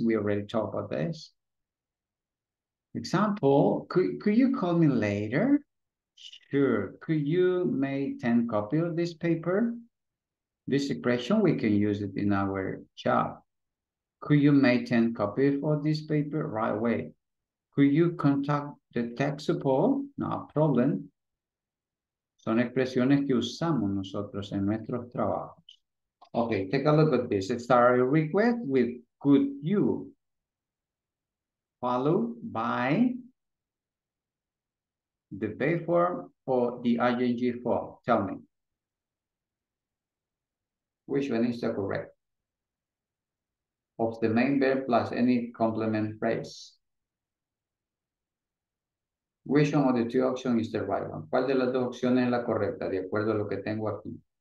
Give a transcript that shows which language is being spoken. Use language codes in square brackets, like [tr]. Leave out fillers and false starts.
[en] We already talked about this. Example, could you call me later? Sure. Could you make 10 copies of this paper? This expression, we can use it in our job. Could you make 10 copies of this paper right away? Could you contact the tech support? No problem. [es] Son expresiones que usamos nosotros en nuestros trabajos. [en] Okay, take a look at this. Start a request with could you, followed by the verb form or the ing form. Tell me. Which one is the correct? Of the main verb plus any complement phrase. Which one of the two options is the right one? [es] ¿Cuál de las dos opciones es la correcta de acuerdo a lo que tengo aquí?